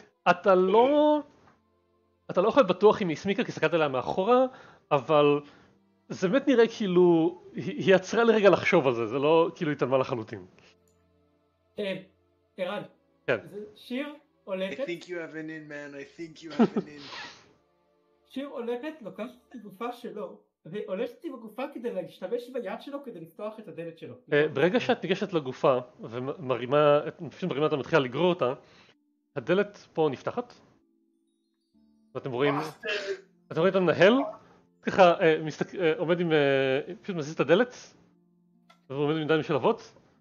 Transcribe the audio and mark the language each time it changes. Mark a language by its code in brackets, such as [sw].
[he] אתה לא יכול בטוח אם היא סמיקה כי סקעת אליה מאחורה, אבל זה באמת נראה כאילו, היא עצרה לרגע לחשוב על זה, זה לא כאילו התעלמה לחלוטין. ערן, כן. שיר הולכת. [en] I think you have an in, man, I think you have an in. [he] שיר הולכת, לוקחת את הגופה שלו. והולכת עם הגופה כדי להשתמש ביד שלו כדי לפתוח את הדלת שלו. ברגע שאת ניגשת לגופה ומרימה, פשוט מרימה אותה ומתחילה לגרור אותה, הדלת פה נפתחת ואתם רואים אתם רואים את המנהל ככה עומד עם פשוט מזיז את הדלת ועומד עם ידיים של אבות.